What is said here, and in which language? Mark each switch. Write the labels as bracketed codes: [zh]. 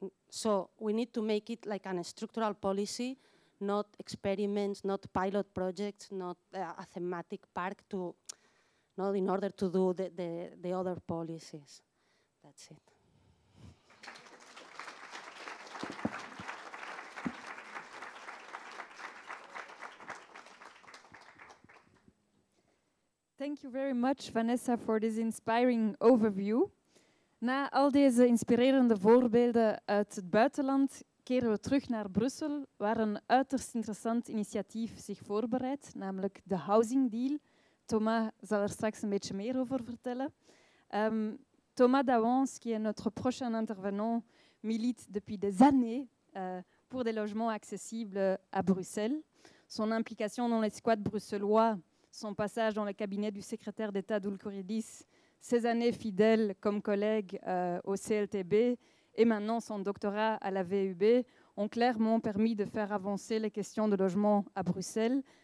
[en] So we need to make it like a structural policy, not experiments, not pilot projects, not a thematic park, to not in order to do the other policies. That's it. Thank you very much, Vanessa, for this inspiring overview. [nl] Na al deze inspirerende voorbeelden uit het buitenland keren we terug naar Brussel, waar een uiterst interessant initiatief zich voorbereidt, namelijk de Housing Deal. Thomas zal er straks een beetje meer over vertellen. [fr] Thomas Daouans, qui est notre prochain intervenant, milite depuis des années pour des logements accessibles à Bruxelles. Son implication dans les squats bruxellois, son passage dans le cabinet du secrétaire d'État d'Oulkouridis, ses années fidèles comme collègue au CLTB et maintenant son doctorat à la VUB ont clairement permis de faire avancer les questions de logement à Bruxelles.